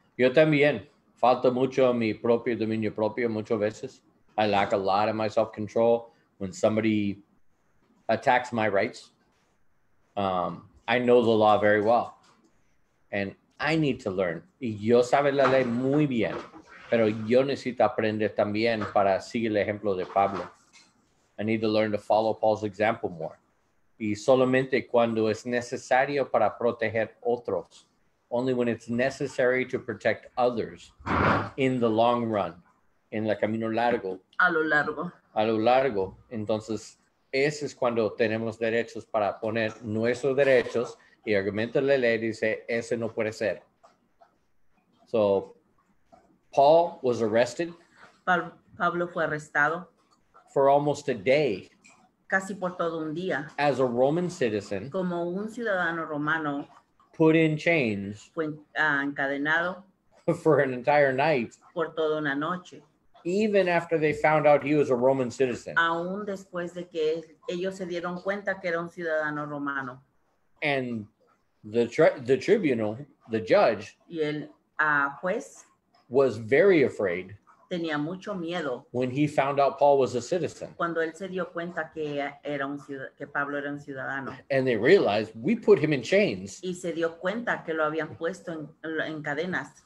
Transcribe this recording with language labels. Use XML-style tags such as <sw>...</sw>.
<es>Yo también falta mucho a mi propio dominio propio muchas veces.</es> <en>I lack a lot of my self-control when somebody attacks my rights. I know the law very well. and I need to learn.</en> <es>Y yo sabe la ley muy bien, pero yo necesito aprender también para seguir el ejemplo de Pablo.</es> <en>I need to learn to follow Paul's example more.</en> <es>Y solamente cuando es necesario para proteger otros.</es> <en>Only when it's necessary to protect others in the long run.</en> <es>En el camino largo. A lo largo. A lo largo. Entonces, ese es cuando tenemos derechos para poner nuestros derechos y argumentar la ley y dice, ese no puede ser.</es> <en>So, Paul was arrested.</en> <es>Pablo fue arrestado.</es> <en>For almost a day.</en> <es>Casi por todo un día.</es> <en>As a Roman citizen.</en> <es>Como un ciudadano romano.</es> <en>Put in chains.</en> <es>Fue encadenado.</es> <en>For an entire night.</en> <es>Por toda una noche.</es> <en>Even after they found out he was a Roman citizen.</en> <es>Aún después de que ellos se dieron cuenta que era un ciudadano romano.</es> <en>And the tribunal, the judge.</en> <es>Y el juez.</es> <en>Was very afraid.</en> <es>Tenía mucho miedo.</es> <en>When he found out Paul was a citizen.</en> <es>Cuando él se dio cuenta que era un que Pablo era un ciudadano.</es> <en>And they realized we put him in chains.</en> <es>Y se dio cuenta que lo habían puesto en cadenas.</es>